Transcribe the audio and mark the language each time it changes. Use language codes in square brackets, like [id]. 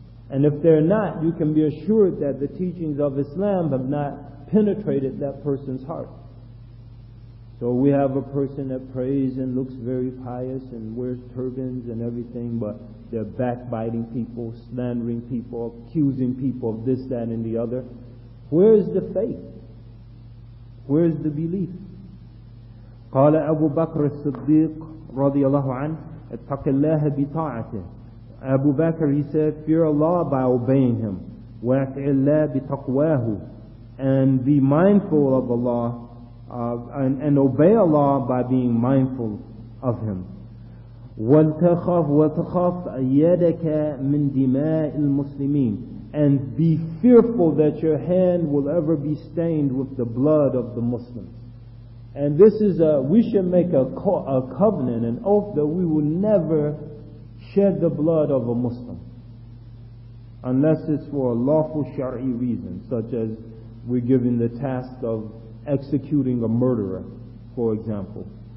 [en] And if they're not, you can be assured that the teachings of Islam have not penetrated that person's heart. So we have a person that prays and looks very pious and wears turbans and everything, but they're backbiting people, slandering people, accusing people of this, that, and the other. Where is the faith? Where is the belief? [ar] قال أبو بكر الصديق رضي الله عنه اتق الله بطاعته. [en] Abu Bakr, he said, fear Allah by obeying Him. [ar] واتق الله بتقواه. [en] And be mindful of Allah and obey Allah by being mindful of Him. [ar] وتخاف يدك من دماء المسلمين. [en] And be fearful that your hand will ever be stained with the blood of the Muslims. And this is we should make a covenant, an oath, that we will never shed the blood of a Muslim. Unless it's for a lawful shari'i reason, such as we're given the task of executing a murderer, for example.